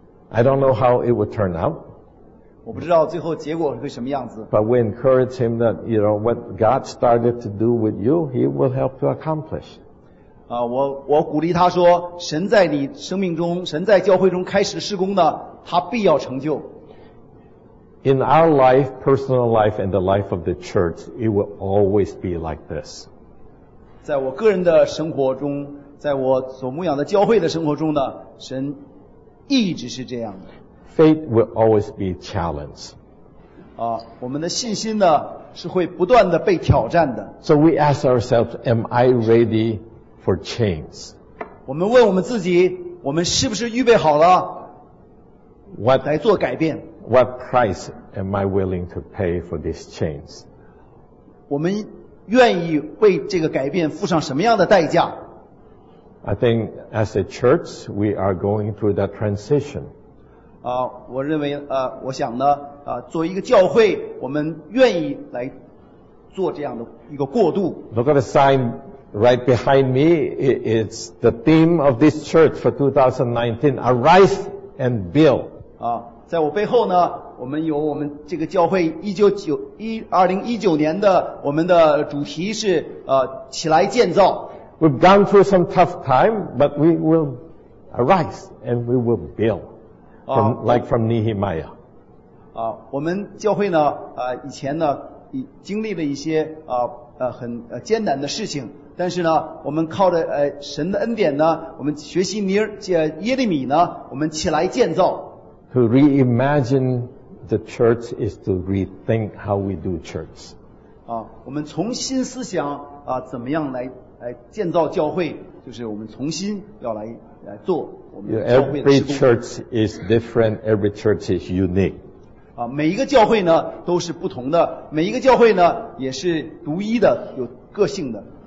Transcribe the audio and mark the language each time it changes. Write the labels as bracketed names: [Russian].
[English] I don't know how it would turn out. [Chinese] 我不知道最后结果会什么样子。 [English] But we encourage him that, you know, what God started to do with you, he will help to accomplish. [Chinese] 啊，我鼓励他说，神在你生命中，神在教会中开始施工呢，他必要成就。 [English] In our life, personal life, and the life of the church, it will always be like this. [Chinese] 在我个人的生活中，在我所牧养的教会的生活中呢，神一直是这样的。 [English] Faith will always be challenged. [Chinese] 啊，我们的信心呢是会不断的被挑战的。 [English] So we ask ourselves, am I ready for chains? [Chinese] 我们问我们自己，我们是不是预备好了 [English] ？What [Chinese] 来做改变 [English] ？What price am I willing to pay for these chains? [Chinese] 我们愿意为这个改变付上什么样的代价 [English] ？I think as a church, we are going through that transition. [Chinese] 我认为我想呢作为一个教会，我们愿意来做这样的一个过渡。 [English] Look at the sign right behind me. It's the theme of this church for 2019. Arise and build. [Chinese] 在我背后呢，我们有我们这个教会2019年的我们的主题是起来建造。 [English] We've gone through some tough time, but we will arise and we will build. From Nehemiah. [Chinese] 我们教会呢，以前呢，经历了一些很艰难的事情，但是呢，我们靠着神的恩典呢，我们学习耶利米呢，我们起来建造。 [English] To reimagine the church is to rethink how we do church. [Chinese] 啊，我们重新思想啊，怎么样来建造教会？就是我们重新要来做我们教会的施工。 [English] Every church is different. Every church is unique. [Chinese] 啊，每一个教会呢都是不同的，每一个教会呢也是独一的，有个性的。